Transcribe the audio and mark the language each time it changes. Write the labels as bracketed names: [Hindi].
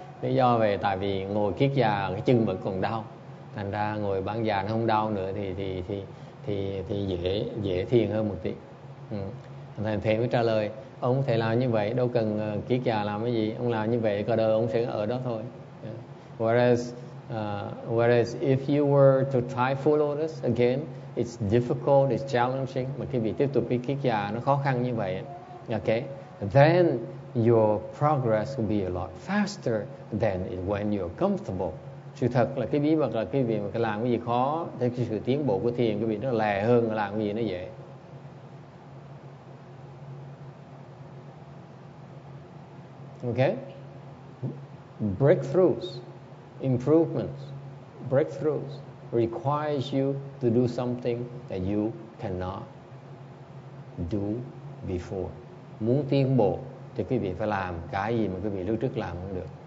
[Vietnamese] Lý do về tại vì ngồi kiết già cái chân vẫn còn đau. Thành ra ngồi bán già nó không đau nữa thì dễ thiền hơn một tí. Thầy thêm mới trả lời, ông có thể làm như vậy, đâu cần kiết già làm cái gì, ông làm như vậy cả đời ông sẽ ở đó thôi. Yeah. [English] Whereas if you were to try full lotus again, it's difficult, it's challenging, [Vietnamese] mà khi bị tiếp tục cái kiết già nó khó khăn như vậy, [English] okay, then your progress will be a lot faster than when you're comfortable. [Vietnamese] Sự thật là cái bí mật là cái việc mà làm cái gì khó thì cái sự tiến bộ của thiền cái việc nó lè hơn là làm cái gì nó dễ. Okay? [English] Breakthroughs, improvements, breakthroughs requires you to do something that you cannot do before. [Vietnamese] Muốn tiến bộ thì quý vị phải làm cái gì mà quý vị lúc trước làm không được.